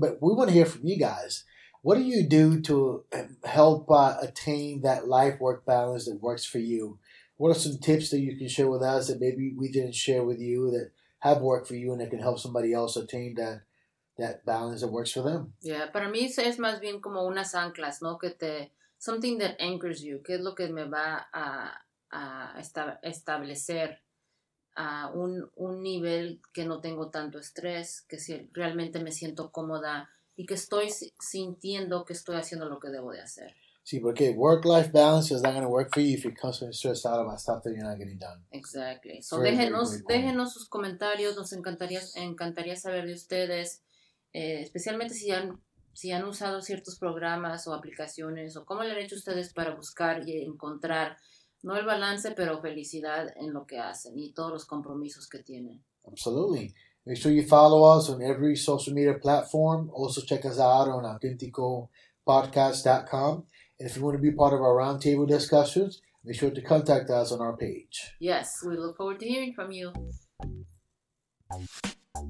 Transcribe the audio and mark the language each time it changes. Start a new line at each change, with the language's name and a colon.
English: But we want to hear from you guys. What do you do to help attain that life-work balance that works for you? What are some tips that you can share with us that maybe we didn't share with you that have worked for you and that can help somebody else attain that balance that works for them? Yeah,
Spanish: para mí es más bien como unas anclas, ¿no?
English: Something that anchors you.
Spanish: ¿Qué es lo que me va a establecer? Un nivel que no tengo tanto estrés, que si realmente me siento cómoda y que estoy sintiendo que estoy haciendo lo que debo de hacer. Sí, porque
English: work-life balance is not going to work for you if you're constantly stressed out about stuff that you're not getting done. Exactly.
Spanish: So déjenos sus comentarios, nos encantaría saber de ustedes, especialmente si han usado ciertos programas o aplicaciones, o cómo le han hecho ustedes para buscar y encontrar No el balance, pero felicidad en lo que hacen y todos los compromisos que tienen.
English: Absolutely. Make sure you follow us on every social media platform. Also check us out on AuthenticoPodcast.com. If you want to be part of our roundtable discussions, make sure to contact us on our page. Yes, we look forward to hearing from you.